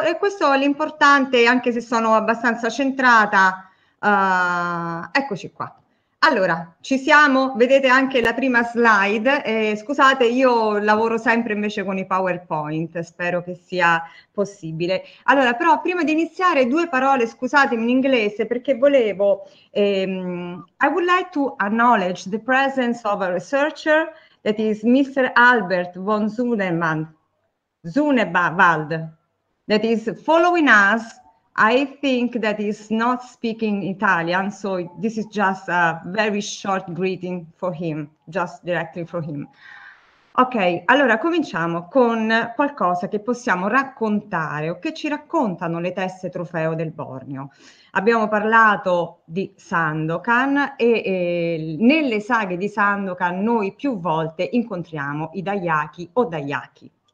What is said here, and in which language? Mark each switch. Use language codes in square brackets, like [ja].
[it] E questo è l'importante, anche se sono abbastanza centrata. Eccoci qua. Allora, ci siamo, vedete anche la prima slide. Scusate, io lavoro sempre invece con i PowerPoint, spero che sia possibile. Allora, però prima di iniziare, due parole, scusatemi in inglese, perché volevo. [en] I would like to acknowledge the presence of a researcher that is Mr. Albert von Zunemann, Zunebald, that is following us. I think that he's not speaking Italian, so this is just a very short greeting for him, just directly for him. [it] Ok, allora cominciamo con qualcosa che possiamo raccontare o che ci raccontano le teste trofeo del Borneo. Abbiamo parlato di Sandokan e nelle saghe di Sandokan noi più volte incontriamo i Dayaki o Dayaki.